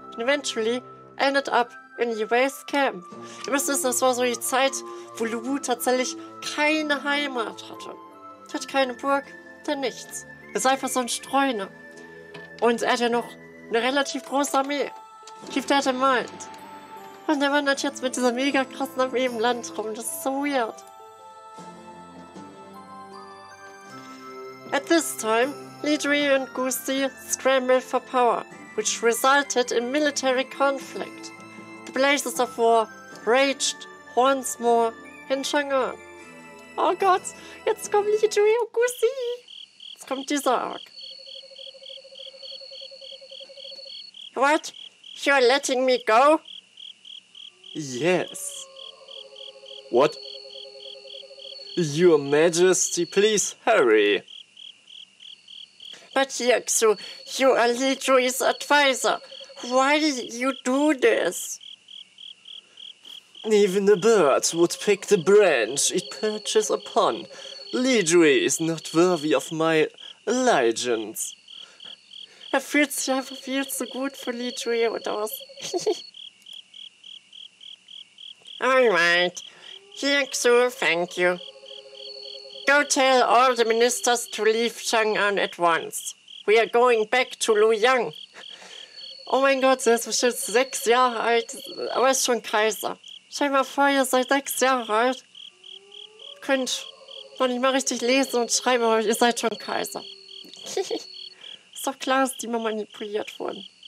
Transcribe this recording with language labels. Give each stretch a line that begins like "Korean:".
English: Eventually ended up in Liu Bei's camp.
German: Ihr müsst wissen, das war so die Zeit, wo Lu Bu tatsächlich keine Heimat hatte. Er hatte keine Burg, denn nichts. Er ist einfach so ein Streuner. Und er hat ja noch eine relativ große Armee.
English: Keep that in mind.
German: Und er wandert jetzt mit dieser mega krassen Armee im Land rum. Das ist so weird.
English: At this time, Li Dui and Gu Xi scrambled for power, which resulted in military conflict. The blazes of war raged once more in Chang'an.
German: Oh Gott, jetzt kommt Li Dui und Gu Xi. Jetzt kommt dieser Arc.
English: What? You're letting me go? Yes. What? Your Majesty, please hurry. But Yixu, you are Li Zhui's advisor. Why do you do this? Even a bird would pick the branch it perches upon. Li Zhui is not worthy of my allegiance.
German: Er fühlt sich einfach viel zu gut für Li Zhui, oder was?
English: Alright. Yixu, thank you. Go tell all the ministers to leave Chang'an at once. We are going back to Luoyang.
German: Oh mein Gott, sie ist bestimmt 6 Jahre alt, aber ist schon Kaiser. Stell dir mal vor, ihr seid 6 Jahre alt. Könnt noch nicht mal richtig lesen und schreiben, aber ihr seid schon Kaiser. Ist doch klar, dass die mal manipuliert wurden.